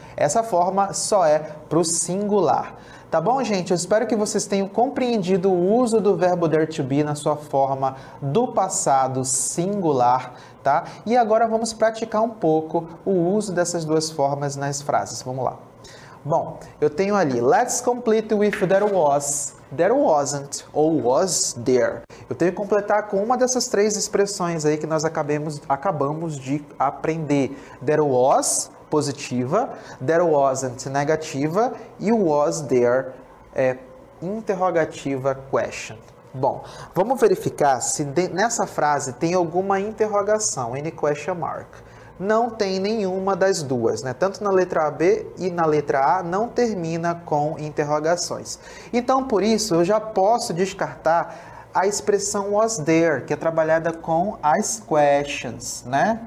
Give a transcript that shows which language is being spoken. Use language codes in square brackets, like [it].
[pt] Essa forma só é para o singular. Tá bom, gente? Eu espero que vocês tenham compreendido o uso do verbo there to be na sua forma do passado singular, tá? E agora vamos praticar um pouco o uso dessas duas formas nas frases. Vamos lá. Bom, eu tenho ali, [en] let's complete with there wasn't, ou was there. [pt] Eu tenho que completar com uma dessas três expressões aí que nós acabamos de aprender. There was, positiva, there wasn't, negativa, e was there, é interrogativa, question. Bom, vamos verificar se nessa frase tem alguma interrogação, [en] any question mark. [pt] Não tem nenhuma das duas, né? Tanto na letra B e na letra A, não termina com interrogações. Então, por isso, eu já posso descartar a expressão was there, que é trabalhada com as questions, né?